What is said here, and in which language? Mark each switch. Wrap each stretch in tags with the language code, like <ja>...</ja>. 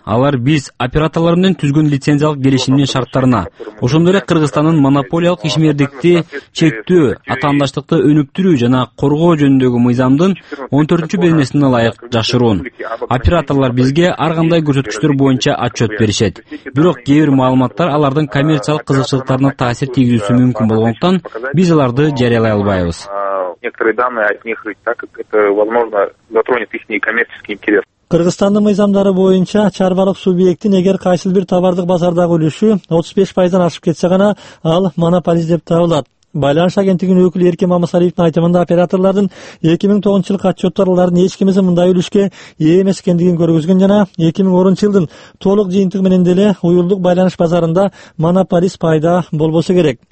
<ky>Алар биз операторлор менен түзгөн лицензиялык келишимдин шарттарына, ошондой эле Кыргызстандын монополиялык ишмердикти чектөө, атаандаштыкты өнүктүрүү жана коргоо жөнүндөгү мыйзамдын 14-чү бөлмөсүнө ылайык жашыруун. Операторлор бизге ар кандай көрсөткүчтөр боюнча отчет беришет. Бирок кээ бир маалыматтар алардын коммерциялык кызыкчылыктарына таасир тийгизүүсү мүмкүн болгондуктан биз аларды жарыялай албайбыз.</ky> <ru>Некоторые данные от них, так как это возможно затронет их коммерческий интерес.</ru> <ky>Кыргызстандын мыйзамдары боюнча чарбалык субъекттин эгер кайсыл бир товардык базардагы үлүшү 35% ашып кетсе гана ал монополист деп табылат. Байланыш агенттигинин өкүлү Эрким Амасалиевдин айтымында операторлордун 2010 жылкы отчеттарынын эч кимиси мындай үлүшкө ээ эмес экендигин көргөзгөн жана 2010 жылдын толук жыйынтыгы менен деле уюлдук байланыш базарында монополист пайда болбосо керек.</ky>